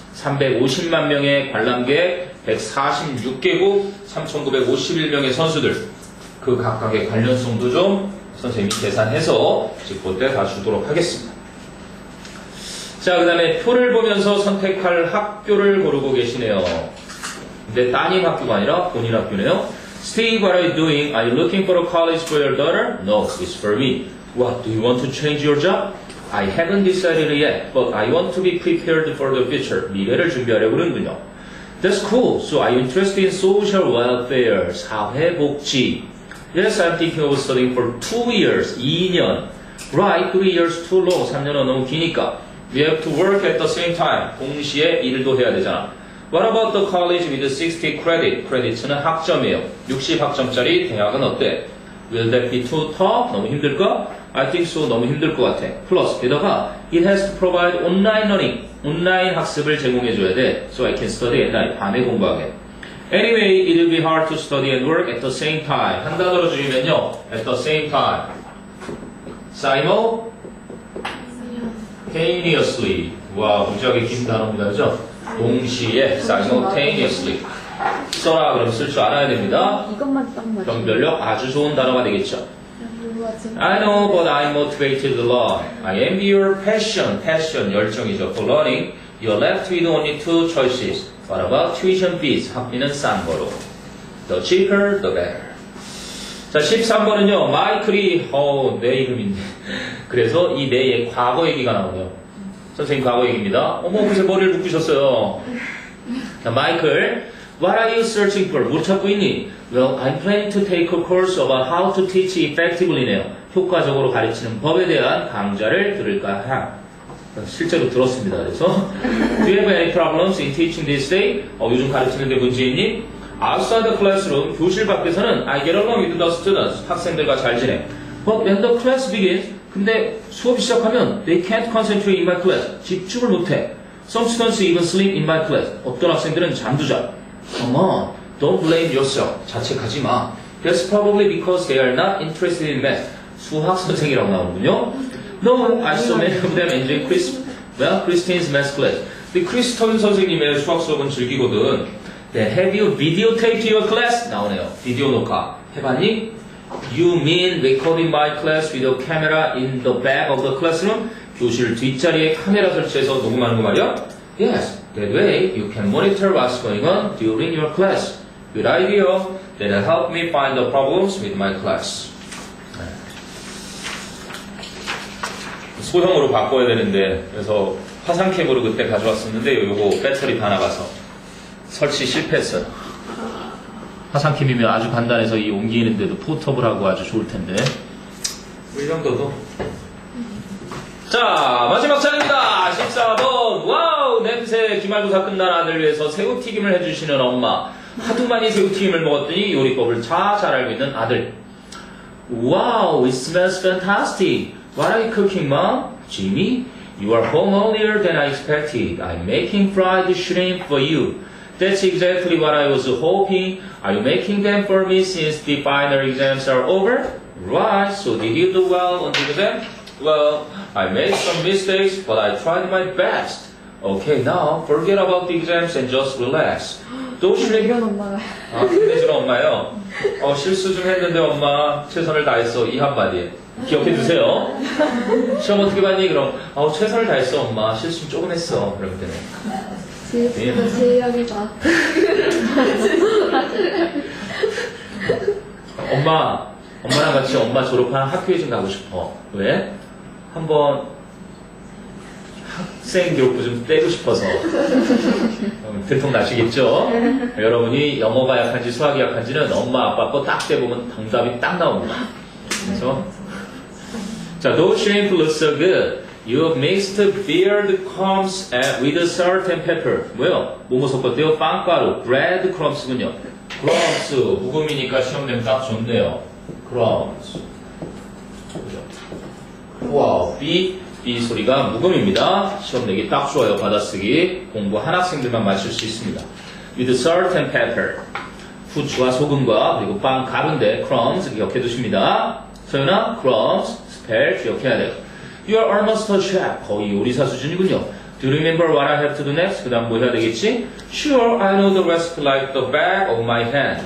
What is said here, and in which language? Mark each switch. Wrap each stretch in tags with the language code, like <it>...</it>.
<ko>350만 명의 관람객, 146개국, 3,951명의 선수들. 그 각각의 관련성도 좀 선생님이 계산해서 직보 때 다 주도록 하겠습니다. 자, 그 다음에 표를 보면서 선택할 학교를 고르고 계시네요. 근데 따님 학교가 아니라 본인 학교네요.</ko> <en>Steve, what are you doing? Are you looking for a college for your daughter? No, it's for me. What, do you want to change your job? I haven't decided yet, but I want to be prepared for the future.</en> <ko>미래를 준비하려고 그러는군요.</ko> <en>That's cool. So, are you interested in social welfare?</en> <ko>사회복지.</ko> <en>Yes, I'm thinking of studying for 2 years.</en> <ko>2년.</ko> <en>Right, 3 years too long.</en> <ko>3년은 너무 기니까.</ko> <en>We have to work at the same time.</en> <ko>동시에 일도 해야 되잖아.</ko> <en>What about the college with 60 credit? Credits는</en> <ko>학점이에요. 60학점짜리 대학은 어때?</ko> <en>Will that be too tough?</en> <ko>너무 힘들까?</ko> <en>I think so.</en> <ko>너무 힘들 것 같아.</ko> <en>Plus,</en> <ko>게다가,</ko> <en>it has to provide online learning.</en> <ko>온라인 학습을 제공해줘야 돼.</ko> <en>So I can study at night.</en> <ko>밤에 공부하게.</ko> <en>Anyway, it'll be hard to study and work at the same time.</en> <ko>한 단어로 줄이면요.</ko> <en>At the same time. Simultaneously.</en> <ko>와, 무지하게 긴 단어입니다. 그죠? 동시에 simultaneously 써라 그럼 쓸 줄 알아야 됩니다. 이것만 딱 맞죠. 경별력 아주 좋은 단어가 되겠죠.</ko> <en>I know, but I'm motivated to learn. I envy your passion. Passion</en> <ko>열정이죠.</ko> <en>For learning, you're left with only two choices. What about tuition fees?</en> <ko>학비는 싼 거로.</ko> <en>The cheaper, the better.</en> <ko>자, 13번은요. 마이클이 내 이름인데. 그래서 이 내의 과거 얘기가 나오네요. 선생님 과거 얘기입니다. 어머, 그새 머리를 묶으셨어요.</ko> <en>자, 마이클, What are you searching for?</en> <ko>뭘 찾고 있니?</ko> <en>Well, I'm planning to take a course about how to teach effectively네요.</en> <ko>효과적으로 가르치는 법에 대한 강좌를 들을까 하. 실제로 들었습니다.</ko> <en>그래서 Do you have any problems in teaching this day?</en> <ko>요즘 가르치는 데 문제 있니?</ko> <en>Outside the classroom,</en> <ko>교실 밖에서는</ko> <en>I get along with the students,</en> <ko>학생들과 잘 지내.</ko> <en>But when the class begins,</en> <ko>근데 수업이 시작하면</ko> <en>they can't concentrate in my class.</en> <ko>집중을 못해.</ko> <en>Some students even sleep in my class.</en> <ko>어떤 학생들은 잠도 자.</ko> <en>Come on, don't blame yourself.</en> <ko>자책하지 마.</ko> <en>That's probably because they are not interested in math.</en> <ko>수학 선생이라고 나오는군요.</ko> <en>No, I saw many of them enjoying Christine's math class.</en> <ko>근데 크리스톤 선생님의 수학 수업은 즐기거든.</ko> <en>Then have you videotaped your class?</en> <ko>나오네요. 비디오 녹화. 해봤니?</ko> <en>You mean recording my class with a camera in the back of the classroom?</en> <ko>교실 뒷자리에 카메라 설치해서 녹음하는 거 말이야?</ko> <en>Yes, that way you can monitor what's going on during your class. Good idea. That'll help me find the problems with my class.</en> <ko>소형으로 바꿔야 되는데 그래서 화상 캠으로 그때 가져왔었는데 요거 배터리 다 나가서 설치 실패했어요. 화상캠이면 아주 간단해서 이 옮기는데도 포터블하고 아주 좋을텐데 이 정도도. 자, 마지막 차례입니다. 14번. 와우, 냄새. 기말고사 끝난 아들을 위해서 새우튀김을 해주시는 엄마. 하도 많이 새우튀김을 먹었더니 요리법을 잘 알고 있는 아들.</ko> <en>와우, it smells fantastic. What are you cooking, mom? Jimmy, you are home earlier than I expected. I'm making fried shrimp for you. That's exactly what I was hoping. Are you making them for me since the final exams are over? Right, so did you do well on the exam? Well, I made some mistakes, but I tried my best. Okay, now forget about the exams and just relax. Don't shrink.</en> <ko>이런 엄마가. 아, 힘내주는 엄마요. 실수 좀 했는데 엄마 최선을 다했어. 이 한마디에. 기억해 두세요. 시험 어떻게 봤니? 그럼 최선을 다했어 엄마. 실수 조금 했어. 그러면 되네. 제이형이다. 엄마랑 같이 엄마 졸업한 학교에 좀 가고 싶어. 왜? 한번 학생 기록부 좀 떼고 싶어서. 들통나시겠죠? 여러분이 영어가 약한지 수학이 약한지는 엄마 아빠 거 딱 떼보면 정답이 딱 나옵니다.</ko> <en>그래서 자, no shrimp looks so good. You have mixed beard crumbs with salt and pepper.</en> <ko>뭐요? 뭐 섞었대요? 빵가루. Bread crumbs군요. Crumbs. 구금이니까 시험 되면 딱 좋네요. Crumbs. 우와. B 소리가 무금입니다. 시험 내기 딱 좋아요. 받아쓰기. 공부 한 학생들만 맞출 수 있습니다.</ko> <en>With salt and pepper.</en> <ko>후추와 소금과 그리고 빵 가루인데 crumbs 기억해 두십니다.</ko> <en>소연아, crumbs,</en> <ko>spell 기억해야 돼요.</ko> <en>You are almost a chef.</en> <ko>거의 요리사 수준이군요.</ko> <en>Do you remember what I have to do next?</en> <ko>그 다음 뭐 해야 되겠지?</ko> <en>Sure, I know the recipe like the back of my hand.</en>